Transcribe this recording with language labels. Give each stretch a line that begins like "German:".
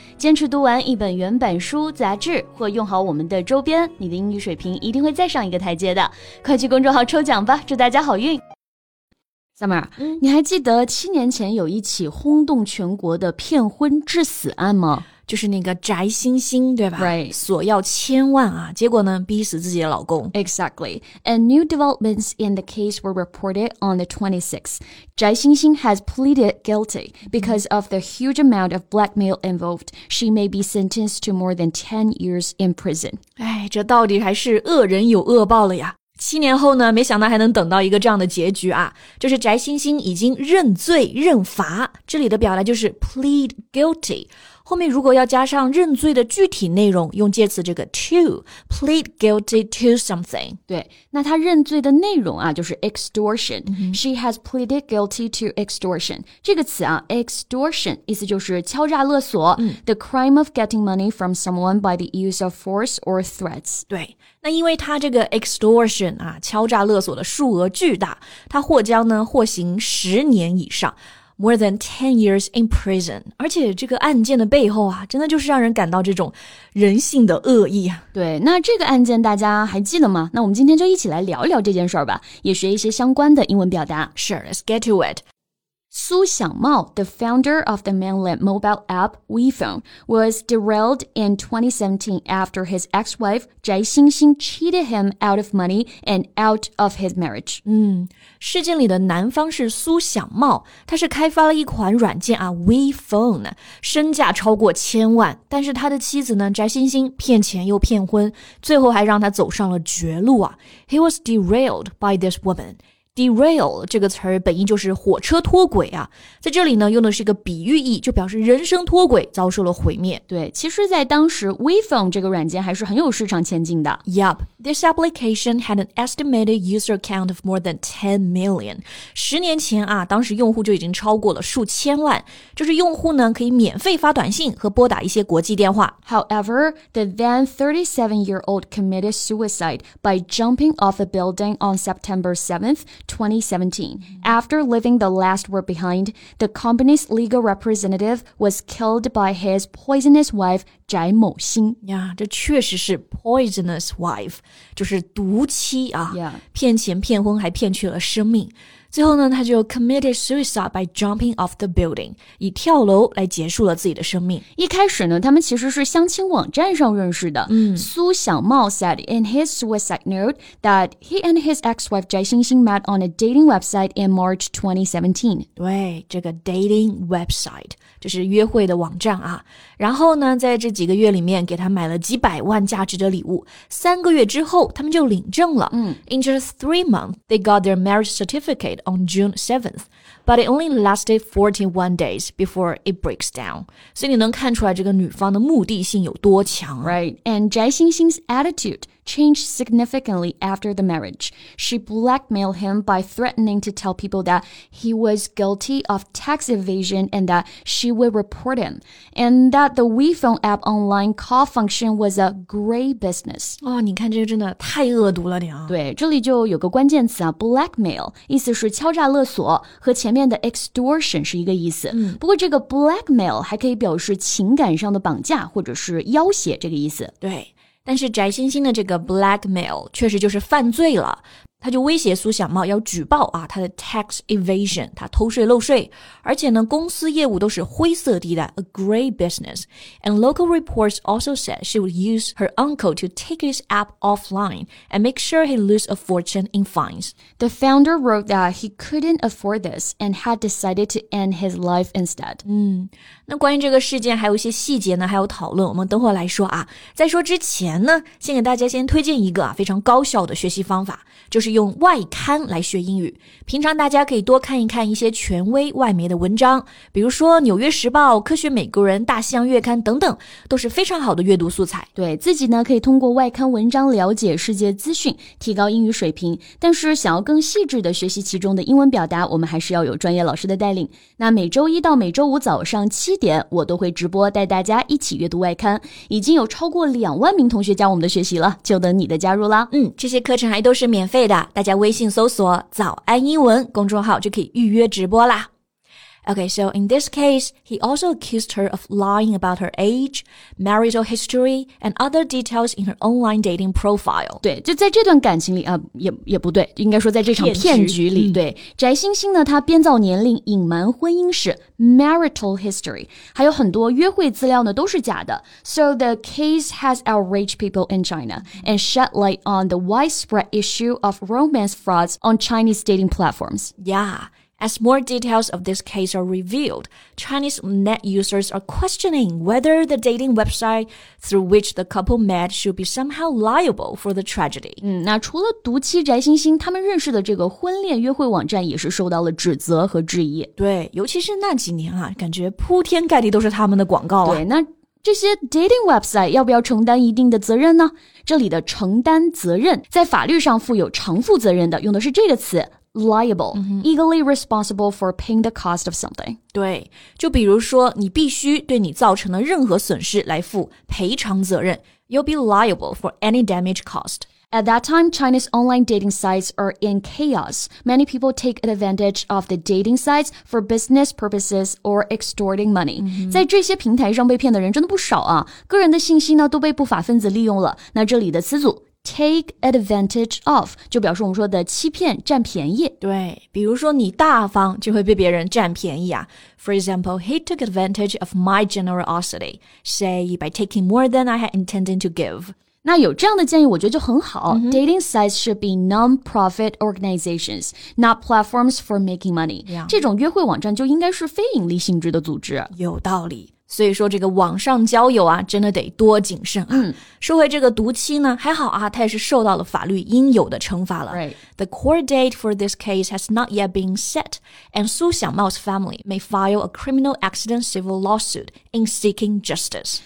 Chinese: 坚持读完一本原版书、杂志或用好我们的周边，你的英语水平一定会再上一个台阶的。快去公众号抽奖吧，祝大家好运。Summer,、你还记得7年前有一起轰动全国的骗婚致死案吗？就是那个翟星星，对吧？
English: Right.
Chinese: 索要千万啊，结果呢，逼死自己的老公。
English: Exactly. And new developments in the case were reported on the 26th. 翟星星 has pleaded guilty because of the huge amount of blackmail involved. She may be sentenced to more than 10 years in prison.
Chinese: 哎，这到底还是恶人有恶报了呀。七年后呢，没想到还能等到一个这样的结局啊。就是翟星星已经认罪认罚。这里的表达就是 plead guilty。后面如果要加上认罪的具体内容，用介词这个 to,
English: plead guilty to something.
Chinese: 对，那他认罪的内容啊，就是 extortion.、
English: She has pleaded guilty to extortion.
Chinese: 这个词啊 ,extortion, 意思就是敲诈勒索、
English: the crime of getting money from someone by the use of force or threats.
Chinese: 对，那因为他这个 extortion 啊，敲诈勒索的数额巨大，他或将呢获刑10年以上。
English: More than 10 years in prison.
Chinese: 而且这个案件的背后啊，真的就是让人感到这种人性的恶意。对，那这个案件大家还记得吗？那我们今天就一起来聊聊这件事儿吧，也学一些相关的英文表达。
English: Sure, let's get to it. 苏小茂, the founder of the mainland mobile app WeFone, was derailed in 2017 after his ex-wife, 翟星星, cheated him out of money and out of his marriage.
Chinese: 事件里的男方是苏小茂，他是开发了一款软件啊 WeFone, 身价超过千万，但是他的妻子呢翟星星骗钱又骗婚，最后还让他走上了绝路啊。
English: He was derailed by this woman.
Chinese: Derail 这个词儿本意就是火车脱轨啊，在这里呢用的是一个比喻意，就表示人生脱轨遭受了毁灭。对，其实在当时 WeFone 这个软件还是很有市场前景的。
English: Yup. This application had an estimated user count of more than 10 million.
Chinese: 十年前啊，当时用户就已经超过了数千万，就是用户呢可以免费发短信和拨打一些国际电话。
English: However, the then 37-year-old committed suicide by jumping off a building on September 7th, 2017. After leaving the last word behind, the company's legal representative was killed by his poisonous wife,翟某星。
Chinese: 呀，这确实是 poisonous wife. 就是毒妻啊、骗钱骗婚还骗去了生命。最后呢他就
English: committed suicide by jumping off the building,
Chinese: 以跳楼来结束了自己的生命。一开始呢他们其实是相亲网站上认识的。
English: 苏小茂 said in his suicide note that he and his ex-wife 翟星星 met on a dating website in March 2017.
Chinese: 对，这个 dating website, 就是约会的网站啊。然后呢在这几个月里面给他买了几百万价值的礼物。三个月之后他们就领证了。
English: In just 3 months, they got their marriage certificate. On June 7th, but it only lasted 41 days before it breaks down.
Chinese: 所以你能看出来这个女方的目的性有多强、
English: Right, and 翟星星's attitude changed significantly after the marriage. She blackmailed him by threatening to tell people that he was guilty of tax evasion and that she would report him, and that the WeFone app online call function was a gray business.
Chinese: 哦，你看这个真的太恶毒了点啊。对，这里就有个关键词啊 ,blackmail, 意思是敲诈勒索，和前面的 extortion 是一个意思。不过这个 blackmail 还可以表示情感上的绑架或者是要挟这个意思。对。但是翟星星的这个 blackmail 确实就是犯罪了，他就威胁苏小茂要举报啊他的 tax evasion, 他偷税漏税，而且呢公司业务都是灰色地带
English: a gray business, and local reports also said she would use her uncle to take his app offline and make sure he lose a fortune in fines. The founder wrote that he couldn't afford this and had decided to end his life instead.
Chinese: 那关于这个事件还有一些细节呢还有讨论，我们等会来说啊。在说之前呢先给大家先推荐一个啊非常高效的学习方法，就是用外刊来学英语。平常大家可以多看一看一些权威外媒的文章，比如说纽约时报、科学美国人、大西洋月刊等等，都是非常好的阅读素材。对，自己呢可以通过外刊文章了解世界资讯，提高英语水平。但是想要更细致的学习其中的英文表达，我们还是要有专业老师的带领。那每周一到每周五早上7点，我都会直播带大家一起阅读外刊，已经有超过20000名同学加我们的学习了，就等你的加入啦。嗯，这些课程还都是免费的，大家微信搜索早安英文公众号就可以预约直播啦。
English: Okay, so in this case, he also accused her of lying about her age, marital history, and other details in her online dating profile.
Chinese: 对，就在这段感情里啊，也不对，应该说在这场骗局里，对，翟星星呢，他编造年龄，隐瞒婚姻史， marital history, 还有很多约会资料呢，都是假的。
English: So the case has outraged people in China and shed light on the widespread issue of romance frauds on Chinese dating platforms. Yeah. As more details of this case are revealed, Chinese net users are questioning whether the dating website through which the couple met should be somehow liable for the tragedy.
Chinese: 那除了毒妻翟星星，他们认识的这个婚恋约会网站也是受到了指责和质疑。对，尤其是那几年啊，感觉铺天盖地都是他们的广告啊。对，那这些 dating website 要不要承担一定的责任呢？这里的承担责任，在法律上负有偿付责任的，用的是这个词。
English: Liable,、mm-hmm. Legally responsible for paying the cost of something.
Chinese: 对，就比如说你必须对你造成的任何损失来负赔偿责任。
English: You'll be liable for any damage cost. At that time, China's online dating sites are in chaos. Many people take advantage of the dating sites for business purposes or extorting money.、 Mm-hmm.
Chinese: 在这些平台上被骗的人真的不少啊，个人的信息呢都被不法分子利用了。那这里的词组Take advantage of, 就表示我们说的欺骗、占便宜。对，比如说你大方就会被别人占便宜啊。
English: For example, he took advantage of my generosity, say by taking more than I had intended to give.
Chinese: 那有这样的建议我觉得就很好。
English: Mm-hmm. Dating sites should be non-profit organizations, not platforms for making money. Yeah.
Chinese: 这种约会网站就应该是非盈利性质的组织。有道理。所以说这个网上交友啊真的得多谨慎啊。嗯、说回这个毒妻呢，还好啊，她也是受到了法律应有的惩罚了。
English: Right. The court date for this case has not yet been set, and Su Xiaomao's family may file a criminal accident civil lawsuit in seeking justice.